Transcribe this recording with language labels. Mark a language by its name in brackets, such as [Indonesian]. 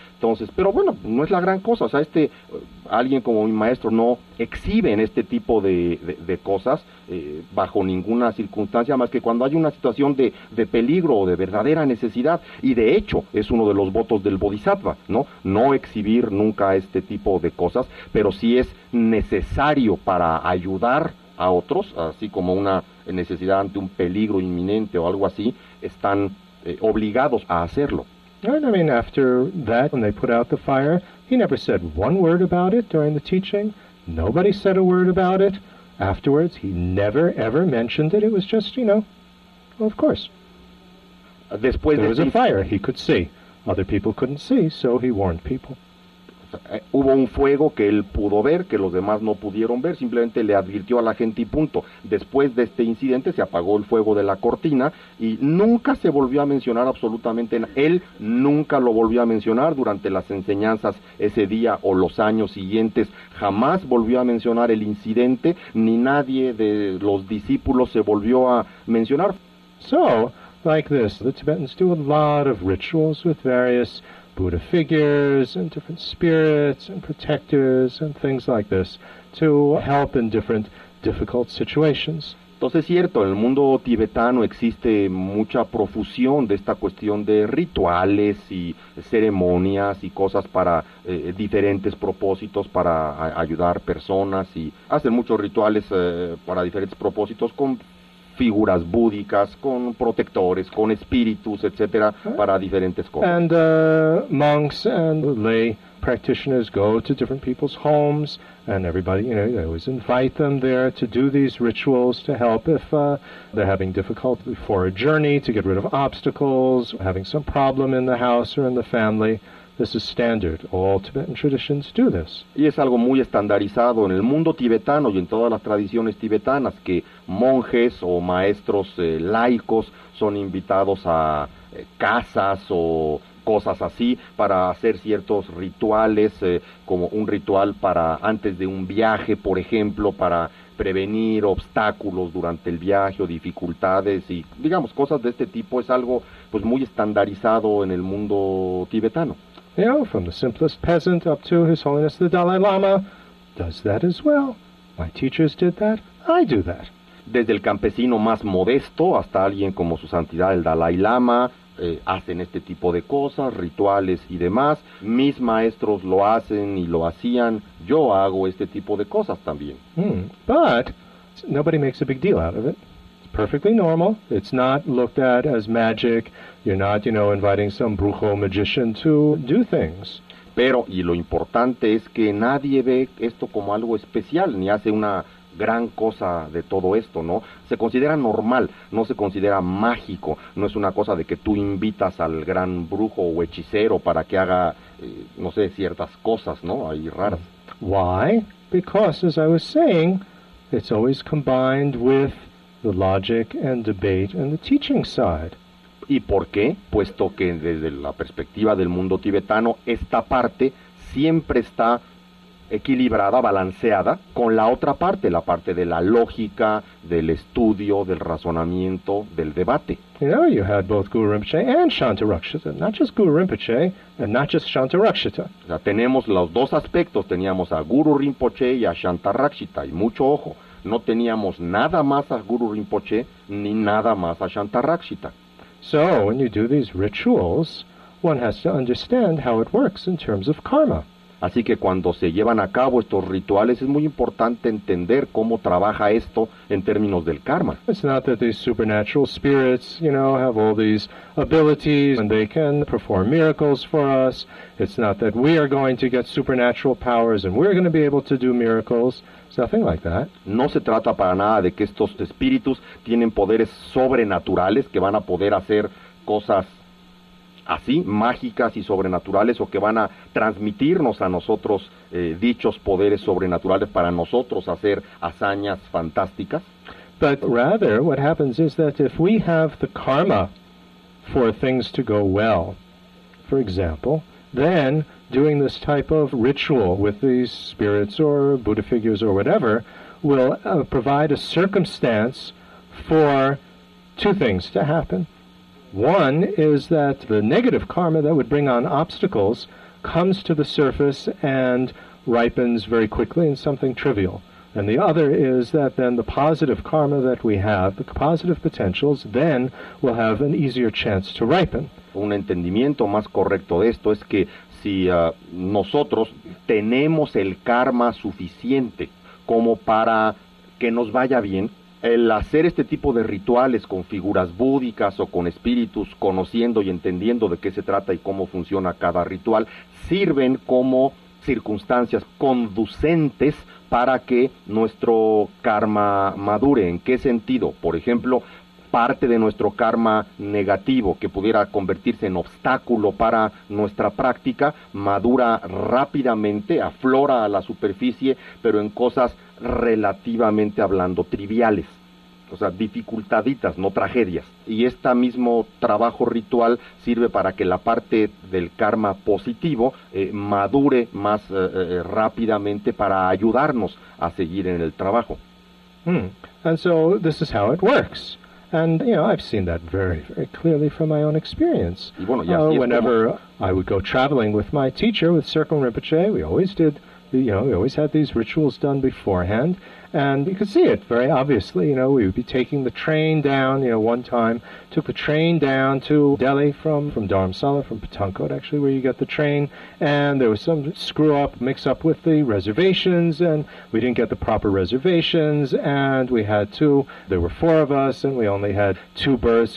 [Spanish] Entonces, pero bueno, no es la gran cosa, o sea, alguien como mi maestro no exhibe en este tipo de cosas bajo ninguna circunstancia, más que cuando hay una situación de peligro o de verdadera necesidad, y de hecho es uno de los votos del bodhisattva, ¿no? No exhibir nunca este tipo de cosas, pero si es necesario para ayudar a otros, así como una necesidad ante un peligro inminente o algo así, están obligados a hacerlo. [English] And I mean, after that, when they put out the fire, he never said one word about it during the teaching. Nobody said a word about it. Afterwards, he never, ever mentioned it. It was just, you know, well, of course. There was a fire. He could see. Other people couldn't see, so he warned people. [Spanish] Hubo un fuego que él pudo ver, que los demás no pudieron ver, simplemente le advirtió a la gente y punto. Después de este incidente se apagó el fuego de la cortina y nunca se volvió a mencionar absolutamente nada. Él nunca lo volvió a mencionar durante las enseñanzas ese día o los años siguientes. Jamás volvió a mencionar el incidente, ni nadie de los discípulos se volvió a mencionar. [English] So, like this, the Tibetans do a lot of rituals with various Buddha figures and different spirits and protectors and things like this to help in different difficult situations. [Spanish] Entonces, es cierto, en el mundo tibetano existe mucha profusión de esta cuestión de rituales y ceremonias y cosas para diferentes propósitos, para ayudar personas, y hacen muchos rituales para diferentes propósitos con figuras búdicas, con protectores, con espíritus, etcétera, para diferentes cosas. [English] And monks and lay practitioners go to different people's homes, and everybody, you know, they always invite them there to do these rituals to help if they're having difficulty for a journey, to get rid of obstacles, having some problem in the house or in the family. This is standard. All Tibetan traditions do this. [Spanish] Y es algo muy estandarizado en el mundo tibetano y en todas las tradiciones tibetanas que monjes o maestros laicos son invitados a casas o cosas así para hacer ciertos rituales, como un ritual para antes de un viaje, por ejemplo, para prevenir obstáculos durante el viaje o dificultades y, digamos, cosas de este tipo. Es algo pues muy estandarizado en el mundo tibetano. [English] You know, from the simplest peasant up to His Holiness the Dalai Lama does that as well. My teachers did that. I do that. [Spanish] Desde el campesino más modesto hasta alguien como Su Santidad el Dalai Lama hacen este tipo de cosas, rituales y demás. Mis maestros lo hacen y lo hacían. Yo hago este tipo de cosas también. [English] But nobody makes a big deal out of it. Perfectly normal. It's not looked at as magic. You're not, you know, inviting some brujo magician to do things. [Spanish] Pero, y lo importante es que nadie ve esto como algo especial, ni hace una gran cosa de todo esto, ¿no? Se considera normal, no se considera mágico. No es una cosa de que tú invitas al gran brujo o hechicero para que haga, no sé, ciertas cosas, ¿no? Ahí raras. [English] Why? Because, as I was saying, it's always combined with the logic and debate and the teaching side. [Spanish] ¿Y por qué? Puesto que desde la perspectiva del mundo tibetano, esta parte siempre está equilibrada, balanceada, con la parte de la lógica, del estudio, del razonamiento, del debate. [English] You know, you had both Guru Rinpoche and Shantarakshita, not just Guru Rinpoche, and not just Shantarakshita. [Spanish] O sea, tenemos los dos aspectos, teníamos a Guru Rinpoche y a Shantarakshita, y mucho ojo. No teníamos nada más a Guru Rinpoche ni nada más a Shantarakshita. [English] So, when you do these rituals, one has to understand how it works in terms of karma. [Spanish] Así que cuando se llevan a cabo estos rituales es muy importante entender cómo trabaja esto en términos del karma. [English] It's not that these supernatural spirits, you know, have all these abilities and they can perform miracles for us. It's not that we are going to get supernatural powers and we're going to be able to do miracles. Nothing like that. [Spanish] No se trata para nada de que estos espíritus tienen poderes sobrenaturales, que van a poder hacer cosas así, mágicas y sobrenaturales, o que van a transmitirnos a nosotros dichos poderes sobrenaturales para nosotros hacer hazañas fantásticas. [English] But rather, what happens is that if we have the karma for things to go well, for example, then doing this type of ritual with these spirits or Buddha figures or whatever will provide a circumstance for two things to happen. One is that the negative karma that would bring on obstacles comes to the surface and ripens very quickly in something trivial. And the other is that then the positive karma that we have, the positive potentials, then will have an easier chance to ripen. [Spanish] Un entendimiento más correcto de esto es que si nosotros tenemos el karma suficiente como para que nos vaya bien, el hacer este tipo de rituales con figuras búdicas o con espíritus, conociendo y entendiendo de qué se trata y cómo funciona cada ritual, sirven como circunstancias conducentes para que nuestro karma madure. ¿En qué sentido? Por ejemplo, parte de nuestro karma negativo que pudiera convertirse en obstáculo para nuestra práctica madura rápidamente, aflora a la superficie, pero en cosas relativamente hablando triviales, o sea, dificultaditas, no tragedias. Y este mismo trabajo ritual sirve para que la parte del karma positivo madure más rápidamente para ayudarnos a seguir en el trabajo. [English] And so this is how it works. And, you know, I've seen that very, very clearly from my own experience. [Spanish] Y bueno, y así es [English] whenever I would go traveling with my teacher, with Circle Rinpoche, we always did We always had these rituals done beforehand, and you could see it very obviously. You know, we would be taking the train down, one time took the train down to Delhi from Dharamsala, from Pathankot, actually, where you get the train, and there was some screw-up, mix-up with the reservations, and we didn't get the proper reservations, and we had two, there were four of us, and we only had two berths.